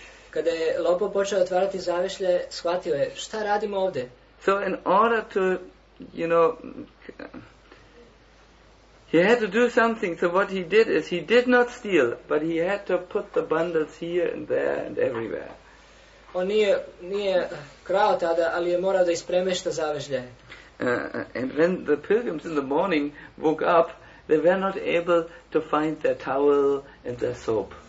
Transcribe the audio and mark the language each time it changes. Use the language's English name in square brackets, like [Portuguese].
[Croatian] Kada je lopo počeo otvarati zavešlje, shvatio je, šta radimo ovdje? [English] So in order to, you know, he had to do something, so what he did is, he did not steal, but he had to put the bundles here and there and everywhere. [Croatian] On nije krao tada, ali je morao da ispremešta zavešlje. [English] And when the pilgrims in the morning woke up, they were not able to find their towel and their soap.